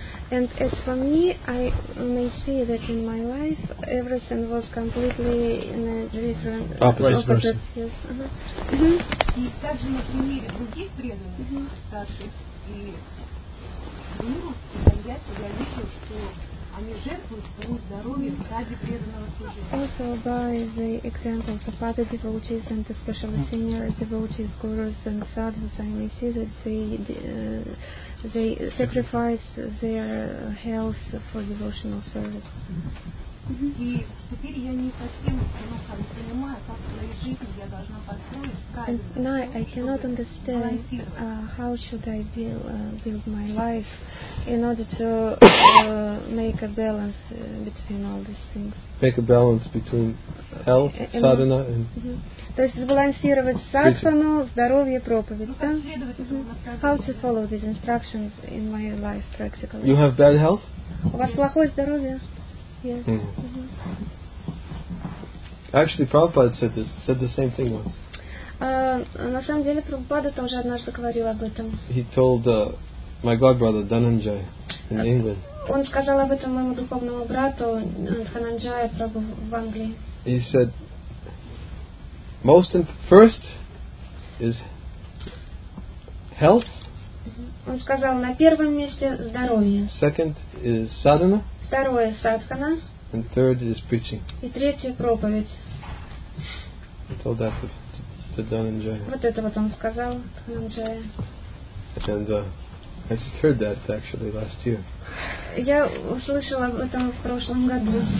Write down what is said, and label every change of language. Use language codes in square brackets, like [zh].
[en] And as for me, I may see that in my life everything was completely in a different opposite. Yes. [ru] И также на примере других преданных старших и гуру, я вижу, что [en] also by the examples of other devotees and especially senior devotees, gurus and sadhus, I may see that they sacrifice their health for devotional service. And now I cannot understand how should I build my life in order to make a balance between all these things. Make a balance between health, sadhana, and [ru] то есть сбалансировать садхану, здоровье, проповедь, да? [en] How to follow these instructions in my life practically? You have bad health? [ru] У вас плохое здоровье? [en] Actually, Prabhupada said the same thing once. [ru] На самом деле, Прабхупада тоже однажды говорил об этом. [en] He told my god brother Dhananjay in England. [ru] Он сказал об этом моему духовному брату Dhananjay Prabhu в Англии. [en] He said, most and first is health. [ru] Он сказал, на первом месте здоровье. [en] Second is sadhana. [ru] Второе садхана. [en] And third is preaching. [ru] И третье проповедь. [en] I told that to Dhananjaya. [ru] Вот это вот он сказал Dhananjaya. [en] And I just heard that actually last year. [ru] Я услышала об этом в прошлом году.